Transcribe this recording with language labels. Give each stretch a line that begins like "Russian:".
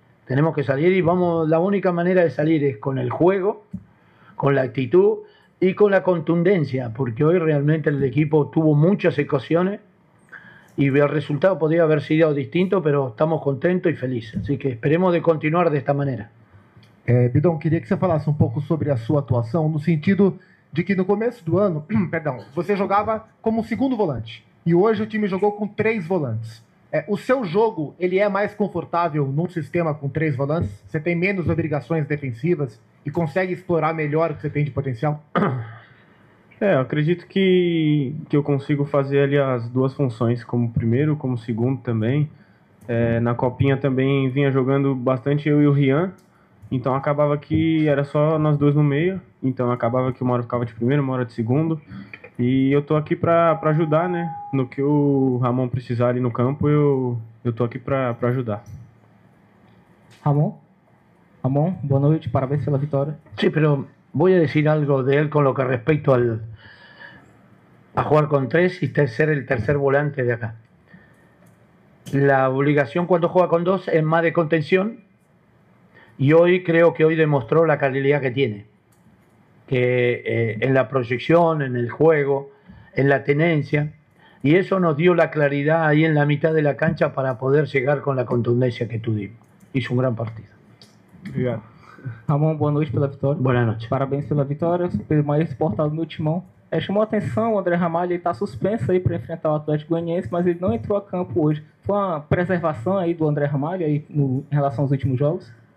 Spanish: Tenemos que salir y vamos, la única manera de salir es con el juego, con la actitud y con la contundencia, porque hoy realmente el equipo tuvo muchas ocasiones y el resultado podría haber sido distinto, pero estamos contentos y felices. Así que esperemos de continuar de esta manera.
Portuguese: Bidon, queria que você falasse um pouco sobre a sua atuação, no sentido de que no começo do ano, perdão, você jogava como segundo volante, e hoje o time jogou com três volantes. O seu jogo, ele é mais confortável num sistema com três volantes? Você tem menos obrigações defensivas e consegue explorar melhor o que você tem de potencial? Eu acredito que eu consigo fazer ali as duas funções, como primeiro, como segundo também. Na Copinha também vinha jogando bastante eu e o Rian, então acabava que era só nós dois no meio, então acabava que uma hora ficava de primeiro, uma hora de segundo, e eu tô aqui pra ajudar, né, no que o Ramon precisar ali no campo, eu tô aqui pra ajudar. Ramon? Ramon, boa noite, parabéns pela vitória. Sim, mas vou dizer algo dele com o que respeito ao a jogar com três e ser o terceiro volante de acá. A obrigação quando joga com dois é mais de contenção.
Spanish: Y hoy creo que hoy demostró la calidad que tiene. Que en la proyección, en el juego, en la tenencia. Y eso nos dio la claridad ahí en la mitad de la cancha para poder llegar con la contundencia que tuvimos. Hizo un gran partido. Yeah. Ramón, buenas noches por la victoria. Buenas noches.
Portuguese: Parabéns pela vitória. Pelo maior portal do meu timão. Chamou a atenção, o André Ramalho está suspenso aí para enfrentar o Atlético Goianiense, mas ele não entrou a campo hoje. Foi uma preservação aí do André Ramalho aí no, em relação aos últimos jogos?